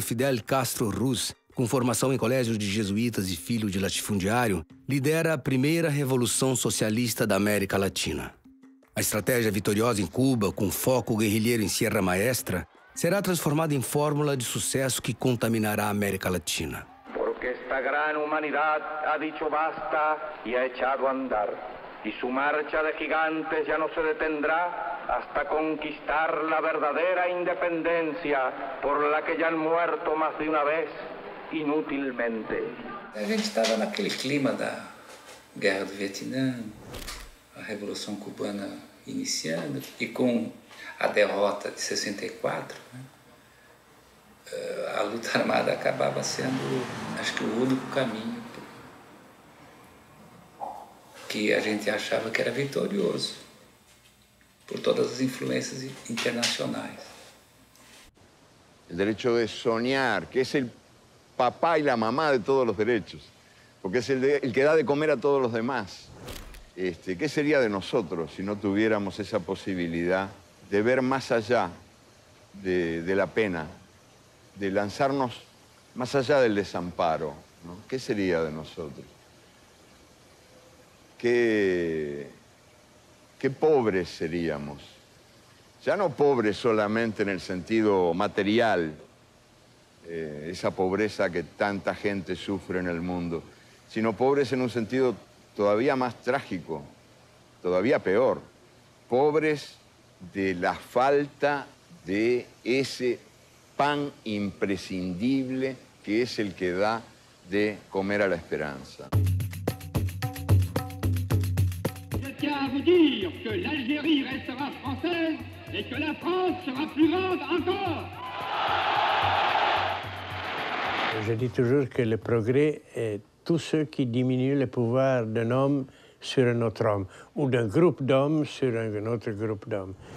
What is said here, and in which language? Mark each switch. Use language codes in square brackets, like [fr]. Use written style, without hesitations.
[pt] Fidel Castro Ruz, com formação em colégios de jesuítas e filho de latifundiário, lidera a primeira revolução socialista da América Latina. A estratégia vitoriosa em Cuba, com foco guerrilheiro em Sierra Maestra, será transformada em fórmula de sucesso que contaminará a América Latina. [es] Porque esta gran humanidad ha dicho basta y ha echado a andar. Y su marcha de gigantes ya no se detendrá hasta conquistar la verdadera independencia por la que ya han muerto más de una vez inútilmente. [pt] A gente estava naquele clima da guerra do Vietnã, a Revolução Cubana iniciando, e com a derrota de 64, né, a luta armada acabava sendo, acho que, o único caminho que a gente achava que era vitorioso por todas as influências internacionais. O direito de sonhar, que é o papai e a mamãe de todos os direitos, porque é o que dá de comer a todos os demais. [es] ¿Qué sería de nosotros si no tuviéramos esa posibilidad de ver más allá de la pena, de lanzarnos más allá del desamparo, ¿no? ¿Qué sería de nosotros? ¿Qué pobres seríamos? Ya no pobres solamente en el sentido material, esa pobreza que tanta gente sufre en el mundo, sino pobres en un sentido todavía más trágico, todavía peor, pobres de la falta de ese pan imprescindible que es el que da de comer a la esperanza. [fr] Je tiens à vous dire que l'Algérie restera française et que la France sera plus grande encore. Je dis toujours que le progrès est tous ceux qui diminuent le pouvoir d'un homme sur un autre homme, ou d'un groupe d'hommes sur un autre groupe d'hommes.